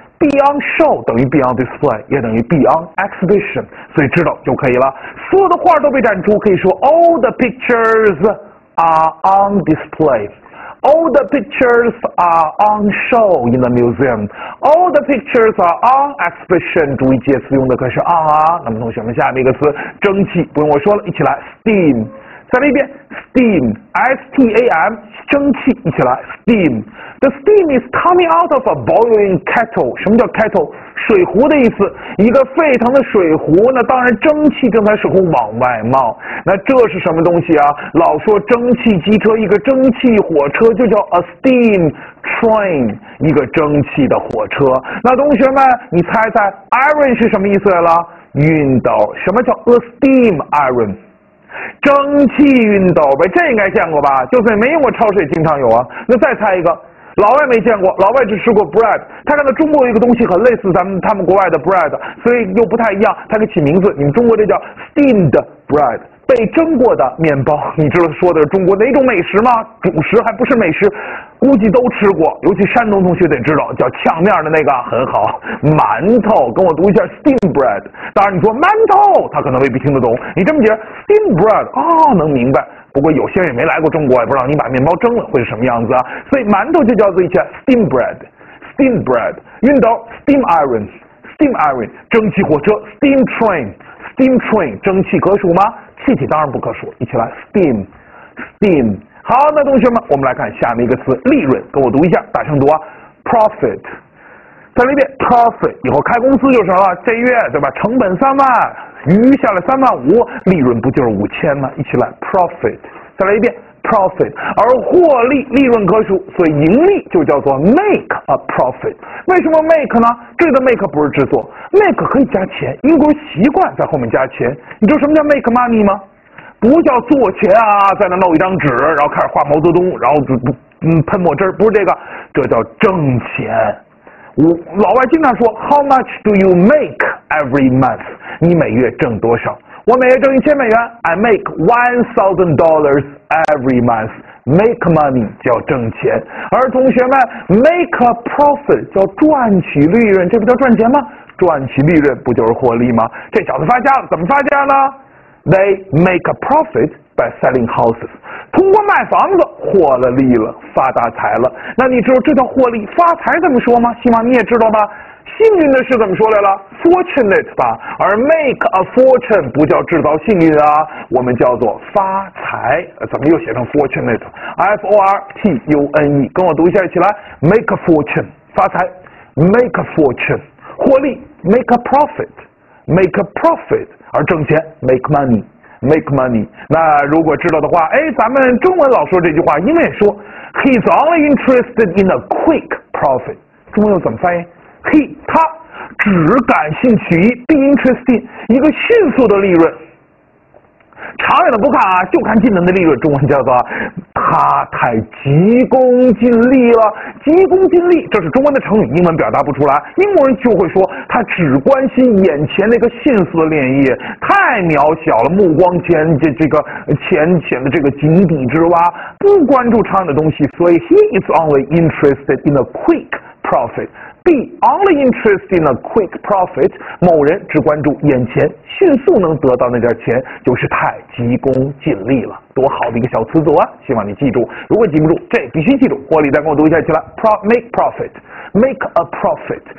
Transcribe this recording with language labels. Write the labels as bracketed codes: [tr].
[zh] Be on show 等于 be on display， 也等于 be on exhibition， 所以知道就可以了。所有的画都被展出，可以说 [en] all the pictures are on display。 All the pictures are on show in the museum. All the pictures are on exhibition. [zh] 注意介词用的可是 on 啊。那么同学们，下面一个词，蒸汽，不用我说了，一起来 steam。再来一遍 steam， S-T-A-M， 蒸汽，一起来 steam。 [en] The steam is coming out of a boiling kettle. [zh] 什么叫 kettle？ 水壶的意思。一个沸腾的水壶，那当然蒸汽正在水壶往外冒。那这是什么东西啊？老说蒸汽机车，一个蒸汽火车就叫 a steam train， 一个蒸汽的火车。那同学们，你猜猜 iron 是什么意思来了？熨斗。什么叫 a steam iron？蒸汽熨斗呗，这应该见过吧，就算没用过超市也经常有啊。那再猜一个，老外没见过，老外只吃过 bread， 他看到中国有一个东西很类似他们国外的 bread， 所以又不太一样，他给起名字，你们中国这叫 steamed bread， 被蒸过的面包。你知道说的是中国哪种美食吗？主食还不是美食，估计都吃过，尤其山东同学得知道叫呛面的那个，很好，馒头。跟我读一下 steam bread， 当然你说馒头他可能未必听得懂，你这么解 steam bread 哦，能明白，不过有些人也没来过中国，也不知道你把面包蒸了会是什么样子啊。所以馒头就叫做一下 steam bread， steam bread。熨斗 steam iron， steam iron。蒸汽火车 steam train， steam train。蒸汽可数吗？气体当然不可数，一起来 steam， steam。好，那同学们，我们来看下面一个词，利润，跟我读一下，大声读啊 ，profit。再来一遍 ，profit。以后开公司就是了，这月对吧？成本3万，余下来3万5，利润不就是5000吗？一起来 ，profit。再来一遍 ，profit。而获利，利润可数，所以盈利就叫做 make a profit。为什么 make 呢？这里的 make 不是制作 ，make 可以加钱，英国人习惯在后面加钱。你知道什么叫 make money 吗？不叫做钱啊，在那弄一张纸，然后开始画毛泽东，然后喷墨汁，不是这个，这叫挣钱。老外经常说 [en] ,How much do you make every month? 你每月挣多少？ [zh] 我每月挣1000美元 , [en] I make $1,000 every month. [zh] Make money 叫挣钱。而同学们 ,make a profit 叫赚取利润，这不叫赚钱吗？赚取利润不就是获利吗？这小子发家了，怎么发家呢？ [en] They make a profit by selling houses. [zh] 通过卖房子获了利了，发大财了。那你知道这叫获利？发财怎么说吗？希望你也知道吧。幸运的事怎么说来了 ？fortunate 吧，而 make a fortune 不叫制造幸运啊，我们叫做发财。怎么又写成 fortunate？F O R T U N E， 跟我读一下，一起来 ，make a fortune， 发财 ，make a fortune， 获利 ，make a profit， make a profit， 而挣钱 ，make money， make money。那如果知道的话，哎，咱们中文老说这句话，英文也说 ， [en] He's only interested in a quick profit。 [zh] 中文又怎么翻译？他只感兴趣于 be interesting 一个迅速的利润，长远的不看啊，就看近的那利润。中文叫做他太急功近利了，急功近利，这是中文的成语，英文表达不出来。英国人就会说他只关心眼前那个迅速的利益，太渺小了，目光浅，这个浅浅的这个井底之蛙，不关注长远的东西。所以 [en] he is only interested in a quick profit。 Be only interested in a quick profit， [zh] 某人只关注眼前迅速能得到那点钱，就是太急功近利了。多好的一个小词组啊，希望你记住。如果记不住，这必须记住，获利再跟我读一下起来。 [en] make profit， make a profit。